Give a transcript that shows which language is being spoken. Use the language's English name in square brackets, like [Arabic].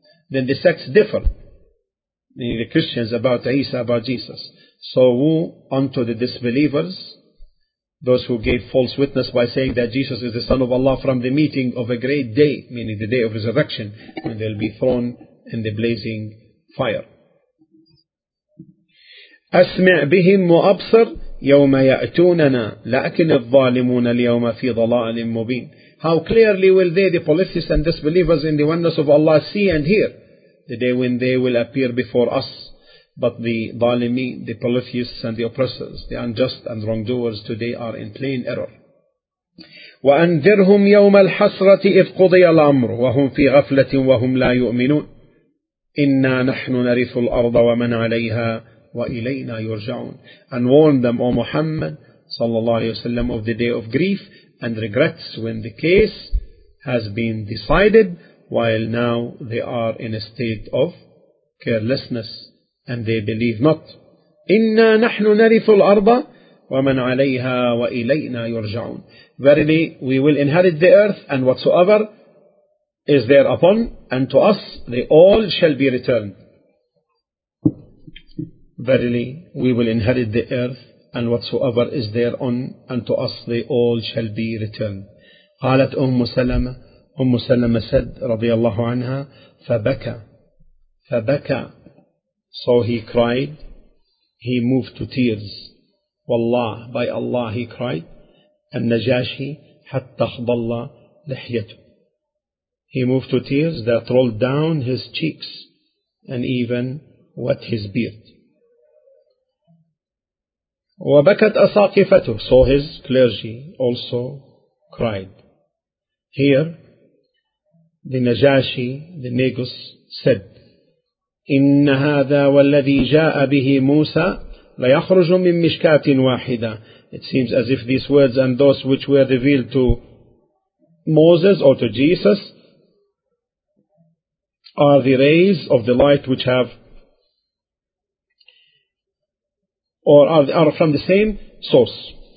[English] Then the sects differ, meaning the Christians, about Isa, about Jesus. So woe unto the disbelievers, those who gave false witness by saying that Jesus is the Son of Allah, from the meeting of a great day, meaning the day of resurrection, when they'll be thrown in the blazing fire. [Arabic] أسمع بهم وأبصر يوم يأتوننا لكن الظالمون اليوم في ضلال مبين. [English] How clearly will they, the polytheists and disbelievers in the oneness of Allah, see and hear the day when they will appear before us, but the ظالمين, the polytheists and the oppressors, the unjust and wrongdoers today are in plain error. [Arabic] وأنذرهم يوم الحسرة إذ قضي الأمر وهم في غفلة وهم لا يؤمنون إنا نحن نرث الأرض ومن عليها وإلينا يرجعون. [English] And warn them, O Muhammad صلى الله عليه وسلم, of the day of grief and regrets when the case has been decided, while now they are in a state of carelessness and they believe not. [Arabic] إنا نحن نرث الأرض ومن عليها وإلينا يرجعون. [English] Verily, we will inherit the earth and whatsoever is there upon, and to us they all shall be returned. Verily, we will inherit the earth and whatsoever is thereon, and to us they all shall be returned. [Arabic] قالت أم سلمة, أم سلمة said, رضي الله عنها, فبكى. [English] So he cried, he moved to tears. [Arabic] والله, by Allah, he cried, النجاشي حتى خضل لحيته. [English] He moved to tears that rolled down his cheeks and even wet his beard. [Arabic] وبكت أساقفته. [English] So his clergy also cried. Here, the Najashi, the Negus, said, [Arabic] إن هذا والذي جاء به موسى ليخرج من مشكات واحدة. [English] It seems as if these words and those which were revealed to Moses or to Jesus are the rays of the light which have Or are from the same source.